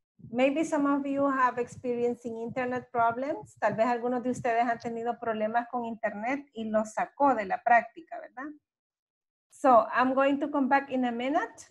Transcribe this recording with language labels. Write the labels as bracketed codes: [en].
[en] Maybe some of you have experiencing internet problems. [es] Tal vez algunos de ustedes han tenido problemas con internet y los sacó de la práctica, ¿verdad? [en] So I'm going to come back in a minute.